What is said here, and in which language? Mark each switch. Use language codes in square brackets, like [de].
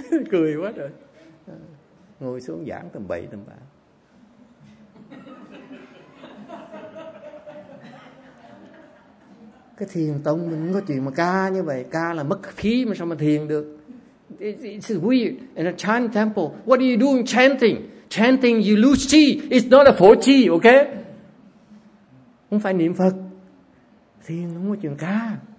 [vi] Cười quá trời. Ngồi xuống giảng tầm 7 tầm 8. Cái thiền tông mình có chuyện mà ca như vậy, ca là mất khí mà sao mà thiền được. [en] It's weird. In a Chan temple, what are you doing chanting? Chanting you lose chi, it's not a for chi, okay? [vi] Không phải niệm Phật, thiền không có chuyện ca.